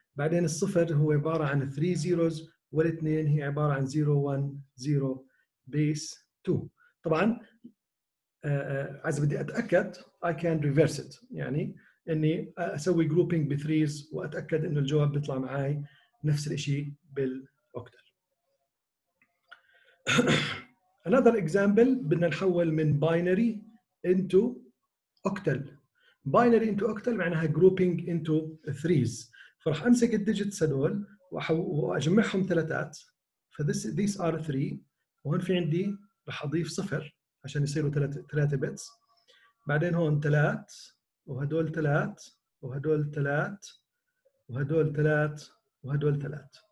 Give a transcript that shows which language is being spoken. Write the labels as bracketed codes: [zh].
[ar] بعدين الصفر هو عبارة عن 3 zeros، والاثنين هي عبارة عن 010 base 2. طبعا عايز بدي أتأكد [en] I can reverse it، [ar] يعني أني أسوي grouping بثريز وأتأكد أنه الجواب بيطلع معي نفس الشيء بالأكتر. [en] Another example، [ar] بدنا نحول من [en] binary into octal. binary into octal معناها grouping into threes. [ar] فرح أمسك الديجيتس هدول وأجمعهم ثلاثات. [en] These are three. [ar] وهون في عندي رح أضيف صفر عشان يصيروا ثلاثة bits. بعدين هون ثلاث وهدول ثلاث وهدول ثلاث وهدول ثلاث وهدول ثلاث.